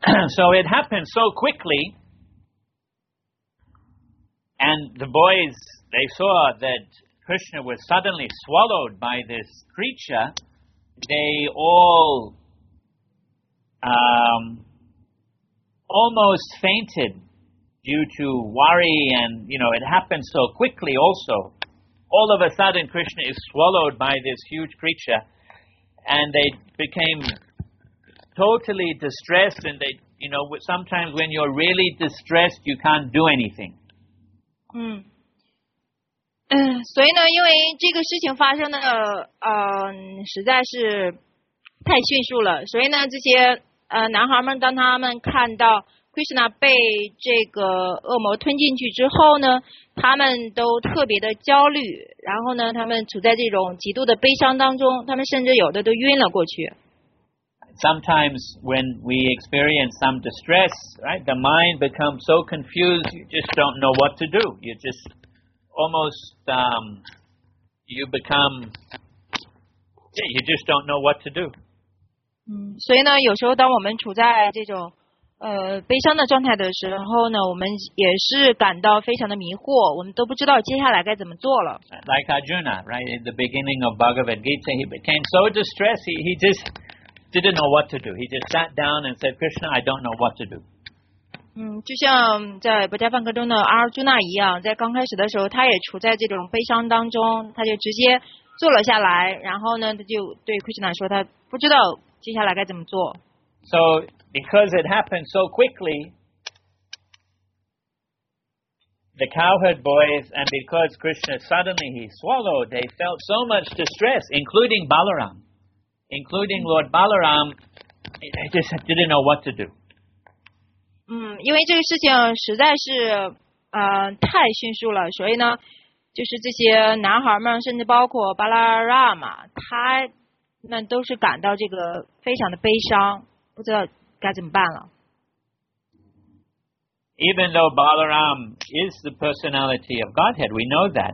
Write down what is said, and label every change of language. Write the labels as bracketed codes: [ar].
[en] So it happened so quickly, and the boys, they saw that Krishna was suddenly swallowed by this creature, they all almost fainted due to worry, and you know, it happened so quickly also. All of a sudden, Krishna is swallowed by this huge creature, and they became... totally distressed and they you know sometimes when you're really distressed you can't do anything [zh] 所以呢因为这个事情发生的实在是太迅速了所以呢这些男孩们当他们看到 Krishna 被这个恶魔吞进去之后呢他们都特别的焦虑然后呢他们处在这种极度的悲伤当中他们甚至有的都晕了过去 [en] Sometimes when we experience some distress, right, the mind becomes so confused, you just don't know what to do. You just almost, you become, you just don't know what to do. [zh] 所以呢，有时候当我们处在这种悲伤的状态的时候呢，我们也是感到非常的迷惑，我们都不知道接下来该怎么做了。 [en] Like Arjuna, right at the beginning of Bhagavad Gita, he became so distressed, he just didn't know what to do. He just sat down and said, "Krishna, I don't know what to do." [zh] 就像在《薄伽梵歌》中的阿尔朱纳一样，在刚开始的时候，他也处在这种悲伤当中，他就直接坐了下来，然后呢，他就对 Krishna 说，他不知道接下来该怎么做。 [en] So. Because it happened so quickly, the cowherd boys, and because Krishna suddenly he swallowed, they felt so much distress, including Balaram. Including Lord Balaram, they just didn't know what to do. [zh] 因为这个事情实在是太迅速了，所以呢，就是这些男孩们，甚至包括巴拉拉嘛，他们都是感到这个非常的悲伤，不知道。该怎么办了? [en] Even though Balaram is the personality of Godhead, we know that.